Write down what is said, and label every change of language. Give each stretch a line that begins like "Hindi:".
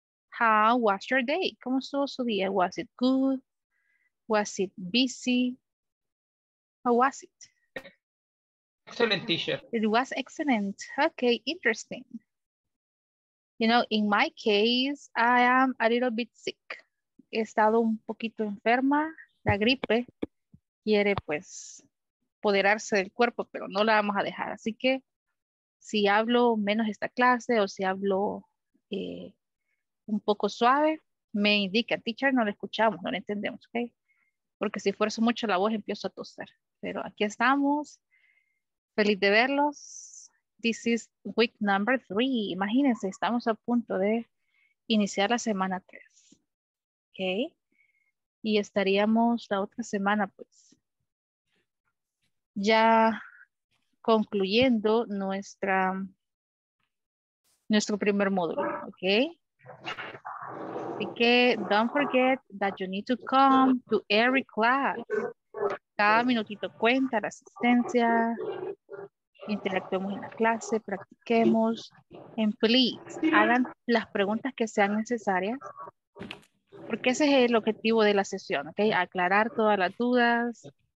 English: How was your day?
Spanish: ¿Cómo estuvo su día?
English: Was it good? Was it busy? How was it? Excellent, teacher. It was excellent. Okay, interesting. You know, in my case, I am a little bit sick.
Spanish: He estado un poquito enferma. La gripe quiere, pues, apoderarse del cuerpo, pero no la vamos a dejar. Así que si hablo menos esta clase o si hablo un poco suave, me indica, teacher, no la escuchamos, no la entendemos, ¿ok? Porque si esfuerzo mucho la voz, empiezo a toser. Pero aquí estamos. Feliz de verlos.
English: This is week number 3.
Spanish: Imagínense, estamos a punto de iniciar la semana 3. ¿Ok? Y estaríamos la otra semana, pues, ya concluyendo nuestro primer módulo, okay? Así que
English: don't forget that you need to come to every class.
Spanish: Cada minutito cuenta, la asistencia, interactuemos en la clase, practiquemos.
English: And please,
Spanish: hagan las preguntas que sean necesarias, porque ese es el objetivo de la sesión, okay? Aclarar todas las dudas.